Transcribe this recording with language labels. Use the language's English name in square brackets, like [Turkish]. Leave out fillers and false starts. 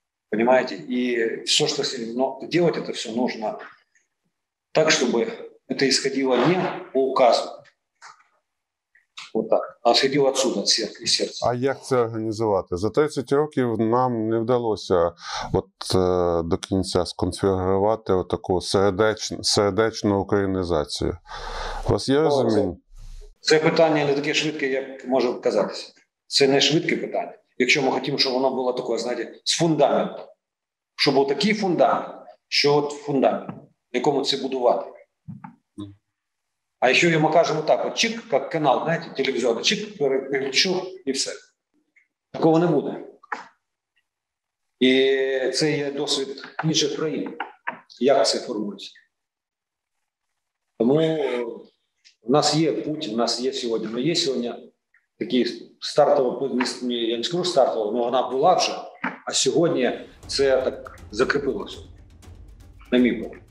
[Russian] Понимаете? И все, что с ним, но делать это все нужно так, чтобы это исходило не по указу, вот так, а сходил отсюда, из сердца. [Ukrainian] А як це організувати? За 30 років нам не вдалося от, до кінця сконфігурувати таку середечну українізацію. У вас є розуміння? Це питання не таке швидке, як може казатися. Це не швидке питання. Якщо ми хотімо, щоб воно було таке, знаєте, з фундаментом. Щоб був такий фундамент, що от фундамент, на якому це будувати. [Russian] А еще ему кажем вот так вот, чик, как канал, знаете, телевизионный, чик, переключу и все. Такого не будет. [Ukrainian] И это є досвід інших країн, як це формується. Тому у нас є путь, у нас є сьогодні, но є сьогодні такий стартовий, я не скажу стартовий, но вона була вже, а сьогодні це так закріпилося. На мій погляд.